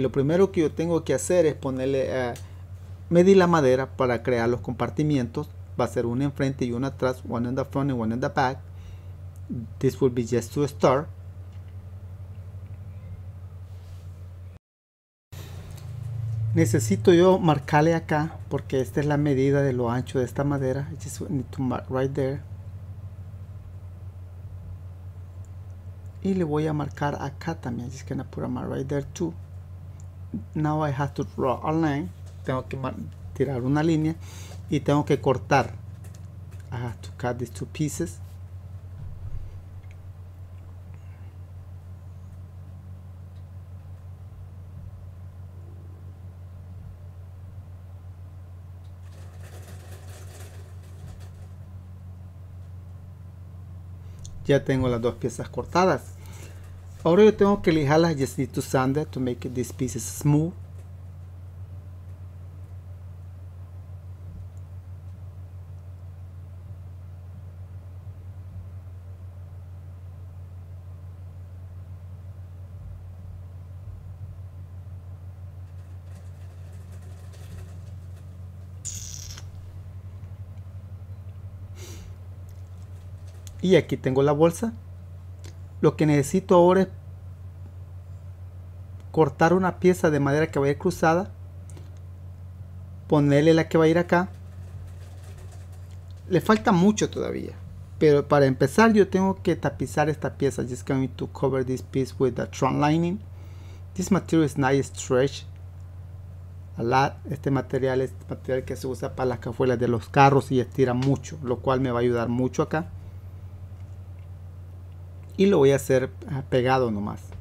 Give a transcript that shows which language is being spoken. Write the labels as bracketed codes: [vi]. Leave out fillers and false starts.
[es] Lo primero que yo tengo que hacer es ponerle medir la madera para crear los compartimientos. Va a ser uno enfrente y uno atrás. [en] One in the front and one in the back. This will be just to start. [es] Necesito yo marcarle acá, porque esta es la medida de lo ancho de esta madera. [en] I just need to mark right there. [es] Y le voy a marcar acá también. [en] I'm just gonna put a mark right there too. Now I have to draw a line. [es] Tengo que tirar una línea y tengo que cortar. [en] I have to cut these two pieces. [es] Ya tengo las dos piezas cortadas. Ahora yo tengo que lijarlas. [en] Just need to sand it to make these pieces smooth. [es] Y aquí tengo la bolsa. Lo que necesito ahora es cortar una pieza de madera que va a ir cruzada, ponerle la que va a ir acá. Le falta mucho todavía, pero para empezar yo tengo que tapizar esta pieza. [en] Just going to cover this piece with the trunk lining. This material is nice stretch a lot. [es] Este material es material que se usa para las cajuelas de los carros y estira mucho, lo cual me va a ayudar mucho acá. Y lo voy a hacer pegado nomás.